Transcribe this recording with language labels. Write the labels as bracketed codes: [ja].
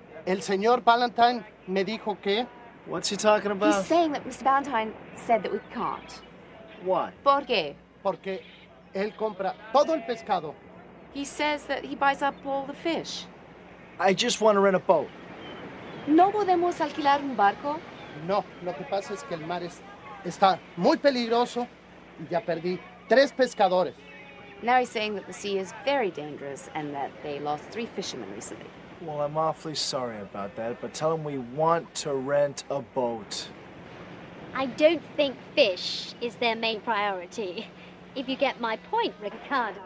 [es] El señor Valentine me dijo que... [en] What's he talking about? He's saying that Mr. Valentine said that we can't. Why? [es] ¿Por qué? Porque él compra todo el pescado. [en] He says that he buys up all the fish. I just want to rent a boat. [es] ¿No podemos alquilar un barco? No, lo que pasa es que el mar está muy peligroso y ya perdí tres pescadores. [en] Now he's saying that the sea is very dangerous and that they lost three fishermen recently. Well, I'm awfully sorry about that, but tell him we want to rent a boat. I don't think fish is their main priority, if you get my point, Ricardo.